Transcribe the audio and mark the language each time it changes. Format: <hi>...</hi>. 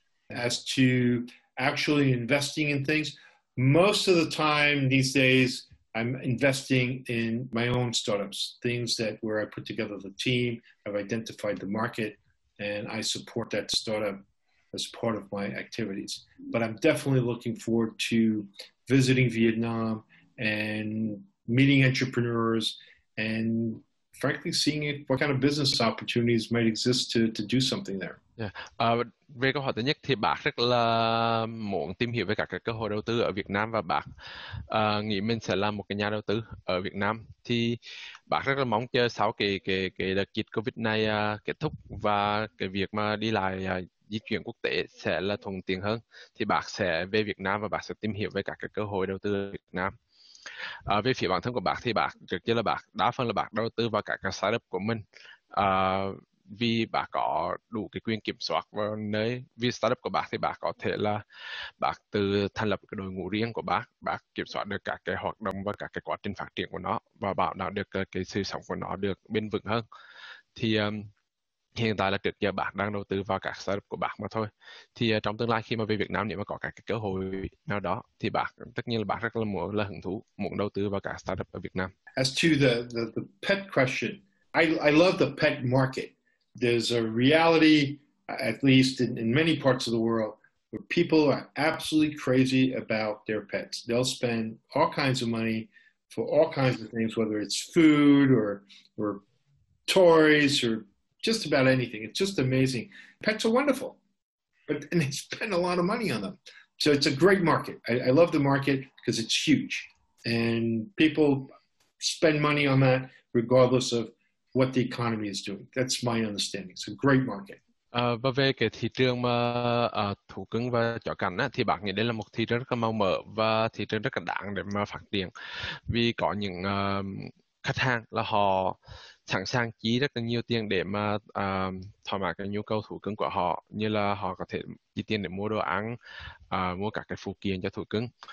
<en>As to actually investing in things, most of the time these days, I'm investing in my own startups, things that where I put together the team, I've identified the market, and I support that startup as part of my activities. But I'm definitely looking forward to visiting Vietnam and meeting entrepreneurs and frankly seeing it, what kind of business opportunities might exist to do something there. Yeah.</en> <vi>Về câu hỏi thứ nhất thì bác rất là muốn tìm hiểu về các cơ hội đầu tư ở Việt Nam và bác nghĩ mình sẽ làm một cái nhà đầu tư ở Việt Nam. Thì bác rất là mong chờ sau cái đợt dịch COVID này kết thúc và cái việc mà đi lại di chuyển quốc tế sẽ là thuận tiện hơn, thì bạn sẽ về Việt Nam và bạn sẽ tìm hiểu về các cái cơ hội đầu tư ở Việt Nam. Về phía bản thân của bạn thì bạn trước giờ là bạn đa phần là bạn đầu tư vào các cái startup của mình, vì bạn có đủ cái quyền kiểm soát vào nơi vì startup của bạn thì bạn có thể là bạn tự thành lập cái đội ngũ riêng của bạn kiểm soát được các cái hoạt động và các cái quá trình phát triển của nó và bảo đảm được cái sự sống của nó được bền vững hơn. Thì hiện tại là trước giờ bạn đang đầu tư vào các startup của bạn mà thôi. Thì trong tương lai khi mà về Việt Nam, nếu mà có các cái cơ hội nào đó, thì bạn tất nhiên là bạn rất là hứng thú muốn đầu tư vào các startup ở Việt Nam.</vi> <en>As to the pet question, I love the pet market. There's a reality, at least in many parts of the world, where people are absolutely crazy about their pets. They'll spend all kinds of money for all kinds of things, whether it's food or toys or just about anything. It's just amazing. Pets are wonderful, and they spend a lot of money on them. So it's a great market. I love the market because it's huge. And people spend money on that regardless of what the economy is doing. That's my understanding. It's a great market.</en> <vi>Và về cái thị trường mà thú cưng và chó cảnh á, thì bạn nghĩ đây là một thị trường rất là màu mỡ và thị trường rất là đáng để mà phát triển. Vì có những khách hàng là họ sẵn sàng chi rất là nhiều tiền để mà thỏa mãn cái nhu cầu thú cưng của họ, như là họ có thể chi tiền để mua đồ ăn, mua các cái phụ kiện cho thú cưng.</vi>